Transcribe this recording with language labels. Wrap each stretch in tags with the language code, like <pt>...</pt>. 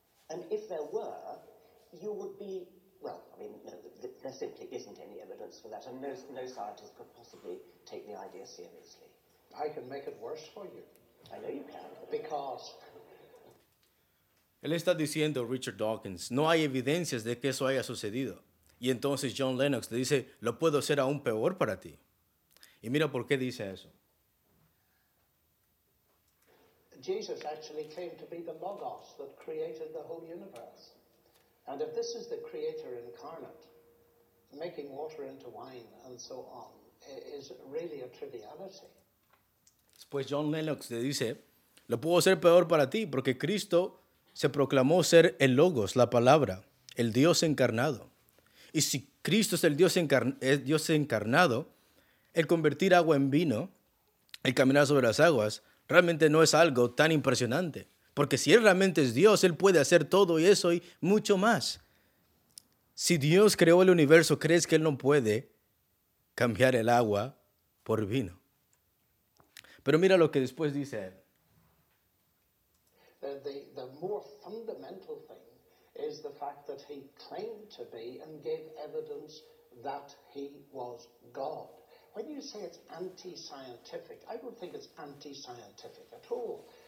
<en>And if there were, you would be, well, I mean, no, there simply isn't any evidence for that, and no scientist could possibly take the idea seriously. I can make it worse for you. I know you can. Because...</en> <es>Él está diciendo, Richard Dawkins, no hay evidencias de que eso haya sucedido. Y entonces John Lennox le dice, lo puedo hacer aún peor para ti. Y mira por qué dice eso.</es> <en>Jesus actually claimed to be the Logos that created the whole universe. And if this is the creator incarnate, making water into wine and so on is really a triviality.</en> <es>Pues John Lennox le dice, lo puedo hacer peor para ti porque Cristo se proclamó ser el Logos, la palabra, el Dios encarnado. Y si Cristo es el Dios encarnado, el convertir agua en vino, el caminar sobre las aguas, realmente no es algo tan impresionante. Porque si Él realmente es Dios, Él puede hacer todo y eso y mucho más. Si Dios creó el universo, ¿crees que Él no puede cambiar el agua por vino? Pero mira lo que después dice Él.</es> <en>The more fundamental thing is the fact that he claimed to be and gave evidence that he was God. When you say it's anti-scientific, I don't think it's anti-scientific at all.</en>